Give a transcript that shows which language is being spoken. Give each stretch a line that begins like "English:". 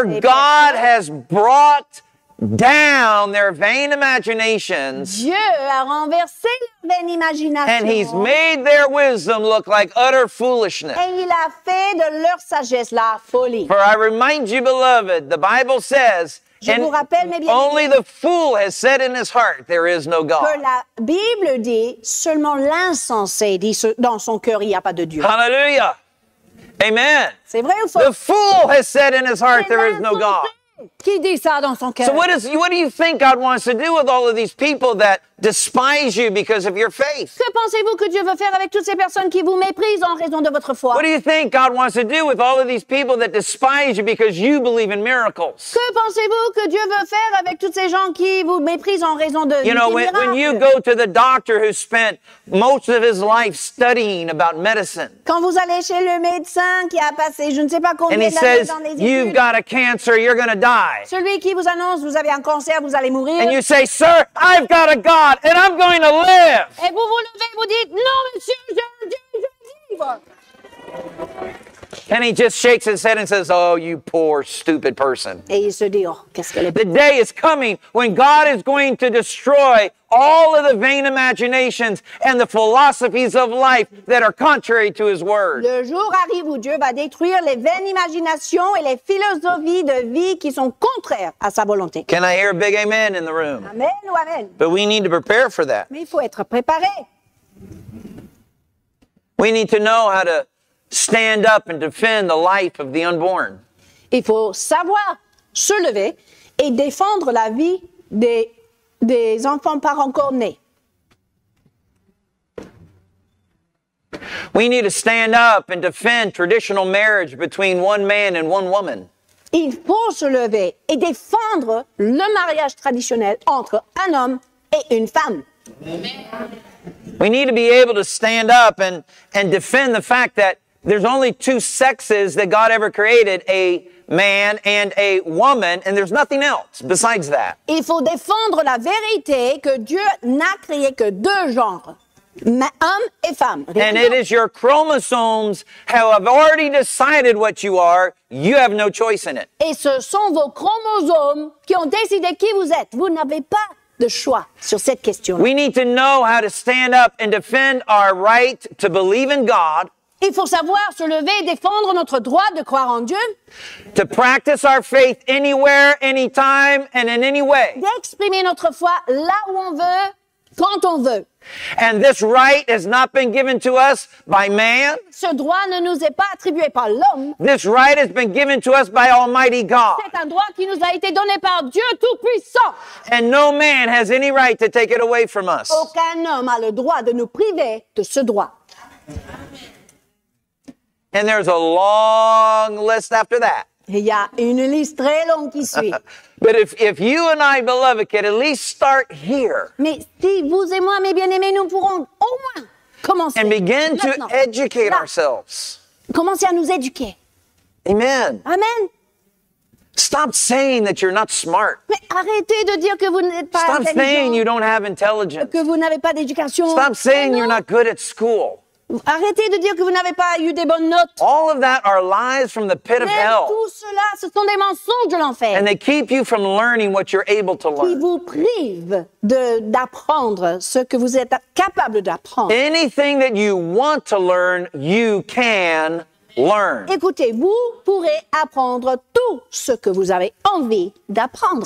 English: For God has brought down their vain imaginations.
French: Dieu a renversé leur vaine imagination.
English: And he's made their wisdom look like utter foolishness.
French: Et il a fait de leur sagesse la folie.
English: For I remind you, beloved, the Bible says,
French: Je vous rappelle, mes bien-aimés,
English: only the fool has said in his heart, there is no God.
French: Que la Bible dit, seulement l'insensé dit, dans son cœur, il n'y a pas de Dieu. Hallelujah. Amen. C'est vrai ou faux?
English: The fool has said in his heart, there is no God.
French: Qui dit ça dans son cœur?
English: So what do you think God wants to do with all of these people that despise you because of your faith?
French: Que pensez-vous que Dieu veut faire avec toutes ces personnes qui vous méprisent en raison de votre foi?
English: What do you think God wants to do with all of these people that despise you because you believe in miracles?
French: Que pensez-vous que Dieu veut faire avec toutes ces gens qui vous méprisent en raison de
English: You know,
French: des miracles?
English: When you go to the doctor who spent most of his life studying about medicine.
French: Quand vous allez chez le médecin qui a passé, je ne sais pas combien d'années dans les études.
English: And he says, you've got a cancer, you're going to die.
French: Celui qui vous annonce, vous avez un cancer, vous allez mourir.
English: And you say, sir, I've got a God. And I'm going to live.
French: Et vous vous levez, vous dites, non, monsieur, je vivre.
English: And he just shakes his head and says, oh, you poor, stupid person.
French: Et il se dit, oh, qu'est-ce qu'elle est.
English: The day is coming when God is going to destroy all of the vain imaginations and the philosophies of life that are contrary to his word.
French: Le jour arrive où Dieu va détruire les vaines imaginations et les philosophies de vie qui sont contraires à sa volonté.
English: Can I hear a big amen in the room?
French: Amen ou amen.
English: But we need to prepare for that.
French: Mais il faut être préparé.
English: We need to know how to stand up and defend the life of the unborn.
French: Il faut savoir se lever et défendre la vie des enfants pas encore nés.
English: We need to stand up and defend traditional marriage between one man and one woman.
French: Il faut se lever et défendre le mariage traditionnel entre un homme et une femme. Amen.
English: We need to be able to stand up and defend the fact that there's only two sexes that God ever created, a man and a woman, and there's nothing else besides that.
French: Il faut défendre la vérité que Dieu n'a créé que deux genres. Homme et femme.
English: And it is your chromosomes who have already decided what you are. You have no choice in it.
French: Et ce sont vos chromosomes qui ont décidé qui vous êtes. Vous n'avez pas de choix sur cette question.
English: We need to know how to stand up and defend our right to believe in God.
French: Il faut savoir se lever et défendre notre droit de croire en Dieu.
English: To practice our faith anywhere, anytime, and in any way.
French: D'exprimer notre foi là où on veut, quand on veut.
English: And this right has not been given to us by man.
French: Ce droit ne nous est pas attribué par l'homme.
English: This right has been given to us by Almighty God.
French: C'est un droit qui nous a été donné par Dieu Tout-Puissant.
English: And no man has any right to take it away from us.
French: Aucun homme a le droit de nous priver de ce droit.
English: And there's a long list after that.
French: Il y a une liste très longue qui suit.
English: But if you and I, beloved, could at least start here.
French: Mais si vous et moi, mes bien-aimés, nous pourrons au moins commencer.
English: And begin to educate ourselves.
French: Commencer à nous éduquer. Amen. Amen.
English: Stop saying that you're not smart.
French: Mais arrêtez de dire que vous n'êtes pas
English: intelligent. Stop saying you don't have intelligence.
French: Que vous n'avez pas d'éducation.
English: Stop saying you're not good at school.
French: Arrêtez de dire que vous n'avez pas eu des bonnes notes.
English: All of that are lies from the pit
French: Même
English: of hell.
French: Tout cela, ce sont des mensonges de l'enfer.
English: And they keep you from learning what you're able to learn.
French: Qui vous prive d'apprendre ce que vous êtes capable d'apprendre.
English: Anything that you want to learn, you can learn.
French: Écoutez, vous pourrez apprendre tout ce que vous avez envie d'apprendre.